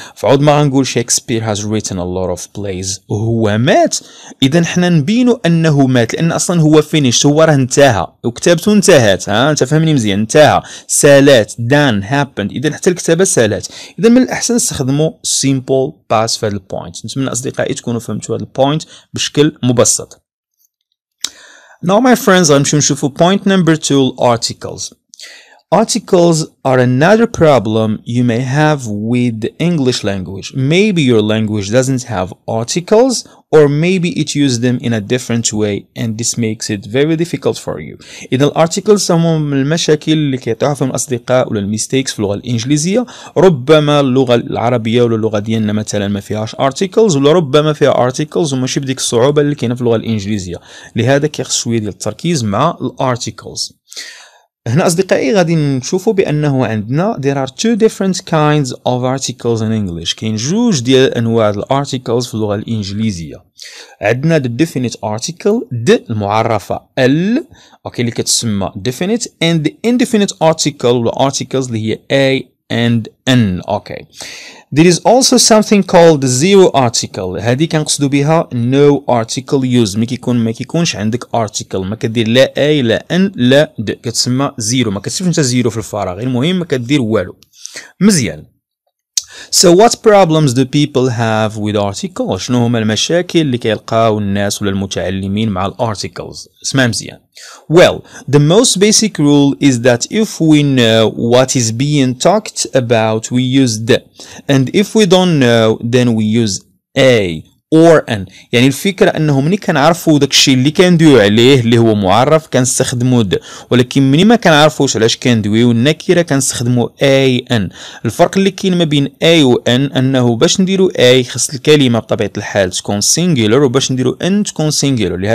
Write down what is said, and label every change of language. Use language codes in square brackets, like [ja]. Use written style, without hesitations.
[ar] فعود ما غنقول [en] Shakespeare has written a lot of plays [ar] وهو مات، اذا حنا نبينوا انه مات لان اصلا هو فينيش، هو راه انتهى وكتابته انتهت. ها انت فهمني مزيان، انتهى سالات [en] done happened، [ar] اذا حتى الكتابة سالات. اذا من الاحسن استخدموا simple past في هذا البوينت. نتمنى اصدقائي تكونوا فهمتوا هذا البوينت بشكل مبسط. [en] Now my friends, I'm going to show you point number 2 articles. Articles are another problem you may have with the English language. Maybe your language doesn't have articles, or maybe it uses them in a different way, and this makes it very difficult for you. [ar] إذا الارتيكل سموهم المشاكل اللي كيتعرفهم الأصدقاء ولا الميستيكس في اللغة الإنجليزية. ربما اللغة العربية ولا اللغة ديالنا مثلا ما فيهاش articles, ولا ربما فيها articles وماشي بديك الصعوبة اللي كاينة في اللغة الإنجليزية. لهذا كيخص شوية ديال التركيز مع الارتيكلز. هنا أصدقائي غادي نشوفوا بأنه عندنا [en] there are two different kinds of articles in English. [ar] كاين جوج ديال أنواع الارتيكلز في اللغة الإنجليزية. عندنا [en] the definite article, the [ar] المعرفة ال أوكي اللي كتسمى [en] definite, and the indefinite article or articles [ar] اللي هي [en] a and n. Okay. There is also something called the zero article. [ar] هذه كنقصدوا بها [en] no article used. [ar] ما كيكونش عندك article. ما كدير لا A لا N لا D. كتسمى zero. ما كتصيفش انت zero في الفراغ. المهم ما كدير والو. مزيان. [en] So what problems do people have with articles? [ar] شنو هما المشاكل اللي كيلقاو الناس ولا المتعلمين مع الارتيكلز؟ اسمع مزيان. [en] Well, the most basic rule is that if we know what is being talked about, we use the. And if we don't know, then we use a or an. [ar] يعني الفكرة أنه مني كنعرفو داك الشيء اللي كندويو عليه اللي هو معرف كنستخدمو د, ولكن مني ما كنعرفوش علاش كندويو النكرة كنستخدمو a an. الفرق اللي كاين ما بين a و an أنه باش نديرو a خص الكلمة بطبيعة الحال تكون singular, وباش نديرو an تكون singular.